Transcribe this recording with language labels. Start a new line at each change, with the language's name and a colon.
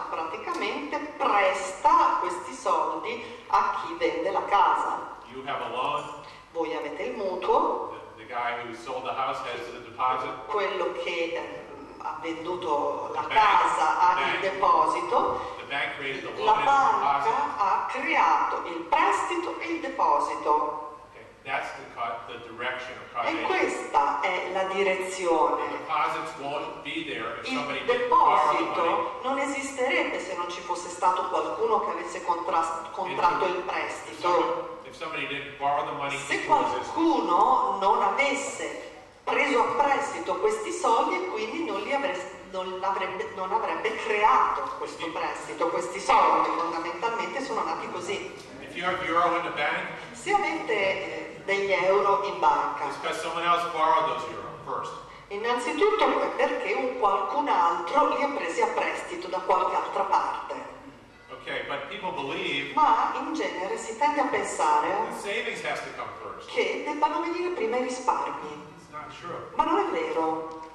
Italian: Praticamente presta questi soldi a chi vende la casa.
English: You have a loan.
Italian: Voi avete il mutuo.
English: The guy who sold the house has the deposit.
Italian: Quello che ha venduto la casa ha il deposito.
English: The bank created the loan.
Italian: La banca ha creato il prestito e il deposito.
English: Okay. That's the direction of causation.
Italian: E questa è la direzione.
English: The deposits won't be there if
Italian: il
English: somebody
Italian: deposito non esisterebbe se non ci fosse stato qualcuno che avesse contratto il prestito. Se qualcuno non avesse preso a prestito questi soldi, quindi non avrebbe creato questo prestito, questi soldi fondamentalmente sono nati così.
English: If you have euro in the bank,
Italian: se avete degli euro in banca,
English: it's because someone else borrowed those euro first.
Italian: Innanzitutto è perché un qualcun altro li ha presi a prestito da qualche altra parte.
English: Okay, but people believe,
Italian: ma in genere si tende a pensare
English: savings has to come first.
Italian: Che debbano venire prima i risparmi.
English: It's not true.
Italian: Ma non è vero.